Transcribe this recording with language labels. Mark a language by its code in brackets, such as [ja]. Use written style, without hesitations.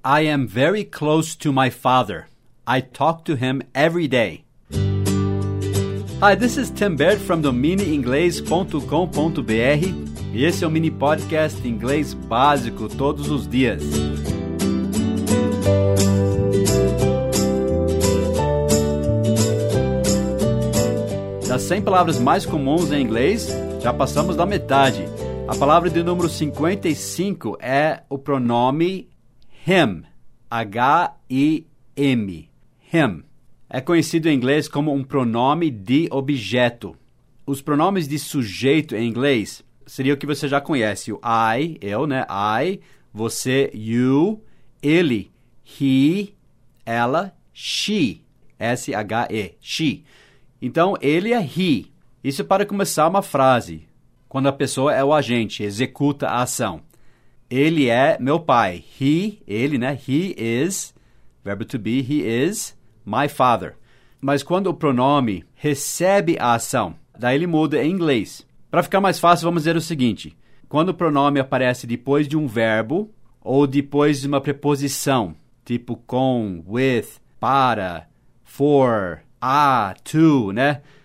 [en] I am very close to my father. I talk to him every day. Hi, this is Tim Baird from [pt] domineinglês.com.br e esse é o mini podcast Inglês Básico todos os dias. Das 100 palavras mais comuns em inglês, já passamos da metade. A palavra de número 55 é o pronome him, H-I-M, him. É conhecido em inglês como um pronome de objeto. Os pronomes de sujeito em inglês seria o que você já conhece, o I, eu, né? I, você, you, ele, he, ela, she, S-H-E, she. Então, ele é he. Isso é para começar uma frase, quando a pessoa é o agente, executa a ação. Ele é meu pai. He, ele, né? [en] He is, [pt] verbo [en] to be, he is my father. [pt] Mas quando o pronome recebe a ação, daí ele muda em inglês. Para ficar mais fácil, vamos dizer o seguinte. Quando o pronome aparece depois de um verbo ou depois de uma preposição, tipo com, with, para, for, a, to, né?